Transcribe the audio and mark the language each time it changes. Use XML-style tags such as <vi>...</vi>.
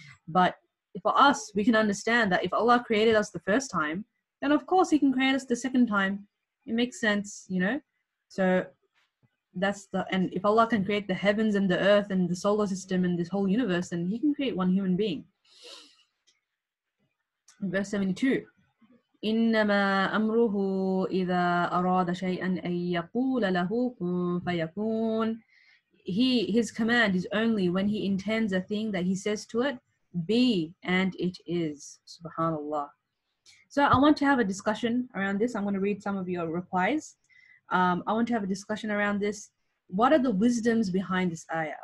<en>But for us, we can understand that if Allah created us the first time, then of course he can create us the second time. It makes sense, you know? So and if Allah can create the heavens and the earth and the solar system and this whole universe, then he can create one human being. Verse 72.</en> <ar>إِنَّمَا أَمْرُهُ إِذَا أَرَادَ شَيْئًا أَن يَقُولَ لَهُ كُن فَيَكُونَ.</ar> <en>His command is only when he intends a thing that he says to it, be, and it is. Subhanallah. So I want to have a discussion around this. I'm going to read some of your replies. I want to have a discussion around this. What are the wisdoms behind this ayah?</en>